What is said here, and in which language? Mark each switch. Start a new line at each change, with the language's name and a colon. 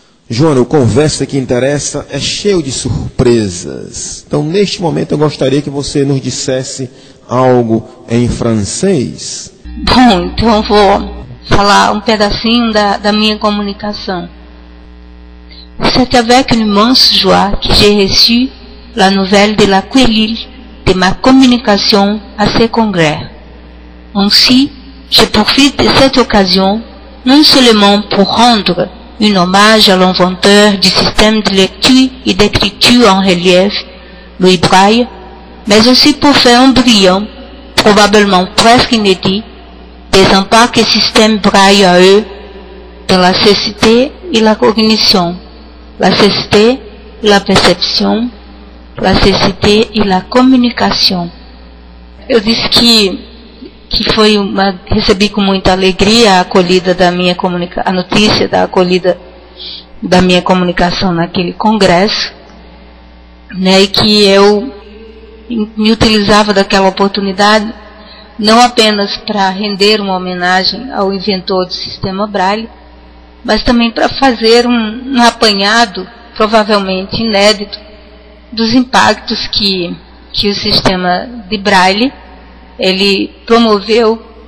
Portuguese: Joana, o Conversa que Interessa é cheio de surpresas. Então, neste momento, eu gostaria que você nos dissesse algo em francês. Bom, então vou falar um pedacinho da minha comunicação.
French: C'est avec une immense joie que j'ai reçu la nouvelle de la Quélile de ma communication à ce congrès. Ainsi, je profite de cette occasion non seulement pour rendre un hommage à l'inventeur du système de lecture et d'écriture en relief, Louis Braille, mais aussi pour faire un brillant, probablement presque inédit, des impacts que système Braille a eu dans la cécité et la cognition. La cécité, la perception, la cécité et la communication.
Portuguese: Eu disse que foi uma, recebi com muita alegria a acolhida da minha comunicação, a notícia da acolhida da minha comunicação naquele congresso, né, e que eu me utilizava daquela oportunidade não apenas para render uma homenagem ao inventor do sistema Braille, mas também para fazer um apanhado, provavelmente inédito, dos impactos que o sistema de Braille ele promoveu